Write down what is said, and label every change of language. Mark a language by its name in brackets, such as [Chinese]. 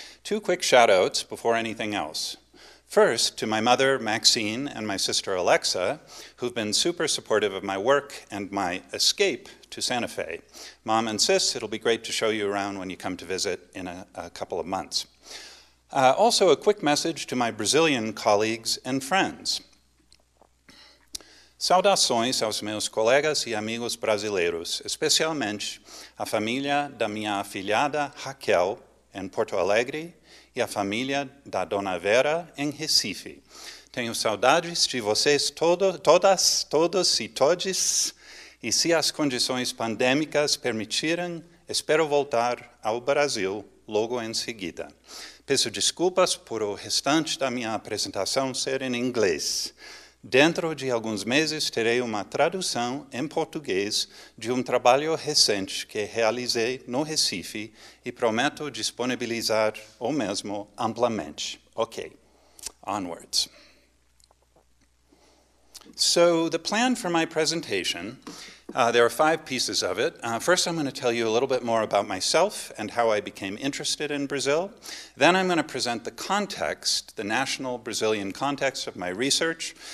[English] Two quick shout-outs before anything else. First, to my mother, Maxine, and my sister, Alexa, who've been super supportive of my work and my escape to Santa Fe. Mom and sis, it'll be great to show you around when you come to visit in a couple of months. Also, a quick message to my Brazilian colleagues and friends. [Portuguese] Saudações aos meus colegas e amigos brasileiros, especialmente a família da minha afilhada Raquel, em Porto Alegre, e a família da Dona Vera, em Recife. Tenho saudades de vocês todos e todes, e se as condições pandêmicas permitirem, espero voltar ao Brasil logo em seguida. Peço desculpas por o restante da minha apresentação ser em inglês. Dentro de alguns meses, terei uma tradução em português de trabalho recente que realizei no Recife e prometo disponibilizar o mesmo amplamente. [English] Ok, onwards. So the plan for my presentation, there are five pieces of it. First, I'm going to tell you a little bit more about myself and how I became interested in Brazil. Then I'm going to present the context, the national Brazilian context of my research.